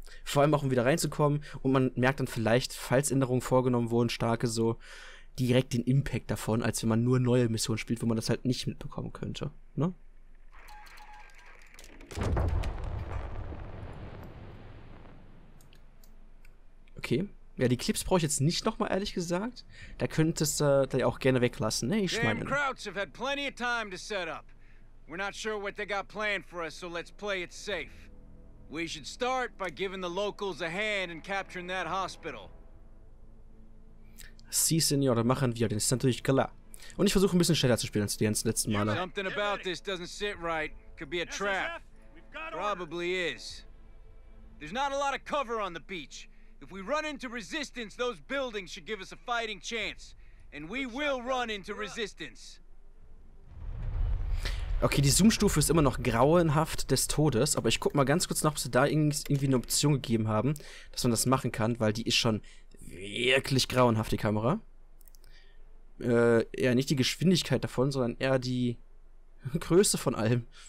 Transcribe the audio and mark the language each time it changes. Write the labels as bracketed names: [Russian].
[German] Vor allem auch, um wieder reinzukommen und man merkt dann vielleicht, falls Änderungen vorgenommen wurden, starke so, direkt den Impact davon, als wenn man nur neue Missionen spielt, wo man das halt nicht mitbekommen könnte, ne? Okay. Ja, die Clips brauche ich jetzt nicht nochmal, ehrlich gesagt. Da könntest du die auch gerne weglassen, ne? Ich meine. [English] Krauts have had plenty of time to set up. We're not sure what they got planned for us, so let's play it safe. We should start by giving the locals a hand in capturing that hospital. [Spanish] Si, Senor, [German] machen wir. Das ist natürlich klar. Und ich versuche ein bisschen schneller zu spielen als die ganzen letzten Male. [English] Something about this doesn't sit right. Could be a trap. Probably is. There's not a lot of cover on the beach. If we run into resistance, those buildings should give us a fighting chance. And we will run into resistance. [German] Okay, die Zoom-Stufe ist immer noch grauenhaft des Todes, aber ich guck mal ganz kurz nach, ob sie da irgendwie eine Option gegeben haben, dass man das machen kann, weil die ist schon wirklich grauenhaft, die Kamera. Eher nicht die Geschwindigkeit davon, sondern eher die Größe von allem.